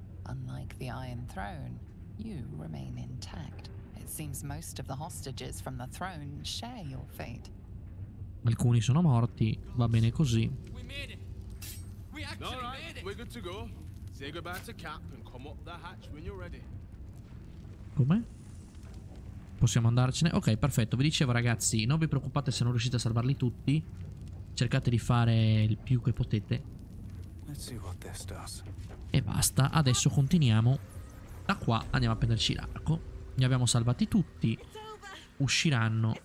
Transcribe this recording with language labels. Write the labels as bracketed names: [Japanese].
[English] Unlike the Iron Throne, you remain intact. It seems most of the hostages from the throne share your fate. [Italian] Alcuni sono morti, va bene così. [English] We made it. We actually made it. All right, we're good to go. Say goodbye to Cap and come up the hatch when you're ready. [Italian] Come? Possiamo andarcene? Ok, perfetto. Vi dicevo, ragazzi, non vi preoccupate se non riuscite a salvarli tutti. Cercate di fare il più che potete. [English] Let's see what this does. [Italian] E basta, adesso continuiamo. Da qua andiamo a prenderci l'arco. Ne abbiamo salvati tutti. Usciranno.